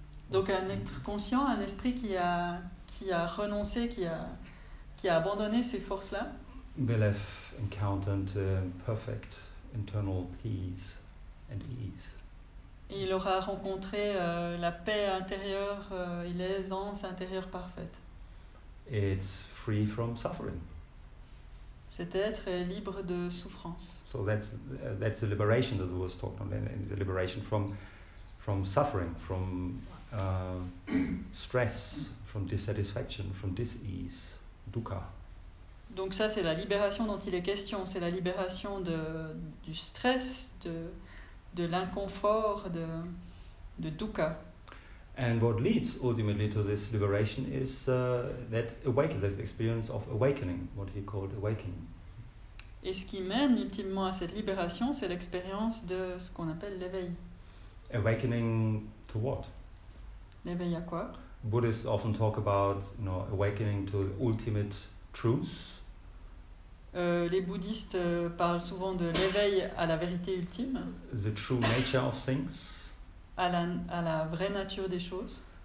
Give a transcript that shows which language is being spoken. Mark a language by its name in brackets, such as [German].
[French] Donc un être conscient, un esprit qui a renoncé, qui a abandonné ces forces-là. [English] Will have encountered perfect internal peace and ease. [French] Il aura rencontré la paix intérieure et l'aisance intérieure parfaite. [English] It's free from suffering. [French] Cet être est libre de souffrance. [English] So that's the liberation that was talked about, and the liberation from suffering, from stress, from dissatisfaction, from dis-ease, dukkha. [French] Donc ça, c'est la libération dont il est question. C'est la libération du stress, de l'inconfort, de dukkha. [English] And what leads ultimately to this liberation is that awakening, this experience of awakening, what he called awakening. [French] Et ce qui mène ultimement à cette libération, c'est l'expérience de ce qu'on appelle l'éveil. [English] Awakening to what? [French] L'éveil à quoi? [English] Buddhists often talk about, you know, awakening to the ultimate truth. [French] Les bouddhistes parlent souvent de l'éveil à la vérité ultime. [English] The true nature of things. [French] À la vraie nature des choses.